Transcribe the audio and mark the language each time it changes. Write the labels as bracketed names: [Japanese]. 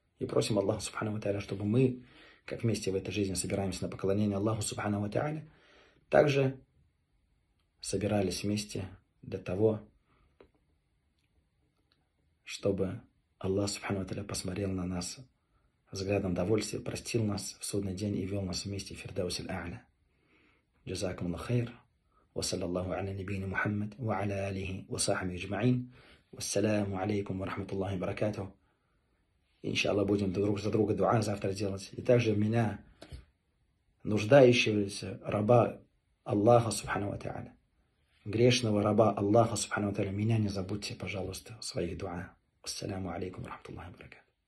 [Russian] И просим Аллаха Субхану ва Тааля, чтобы мы, как вместе в этой жизни собираемся на поклонение Аллаху Субхану ва Тааля, также собирались вместе для того, чтобы Аллах Субхану ва Тааля посмотрел на нас взглядом довольствия, простил нас в судный день и вел нас вместе в Фирдаус аль-Аля. [Arabic] Джазакум ла хайр. وصلى الله على نبينا محمد وعلى آله وصحبه أجمعين والسلام عليكم ورحمة الله وبركاته. إن شاء الله [Russian] будем друг за друга дуа завтра делать. И также меня, нуждающегося раба Аллаха Субхану ва Тааля, грешного раба Аллаха Субхану ва Тааля, меня не забудьте, пожалуйста, в своих дуа. Ассаляму алейкум ва рахматуллахи ва баракатух.